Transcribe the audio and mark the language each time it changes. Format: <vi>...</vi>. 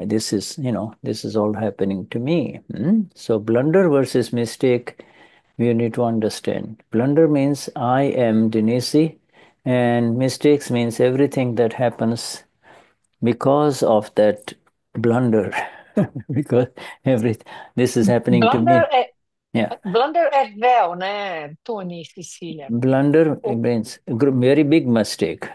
<en>This is all happening to me. So blunder versus mistake, you need to understand. Blunder means I am Denisi. And mistakes means everything that happens because of that blunder. Because this is happening to me.</en> <pt>Blunder é véu, né, Tony, Cecília?</pt> <en>Blunder means very big mistake.</en>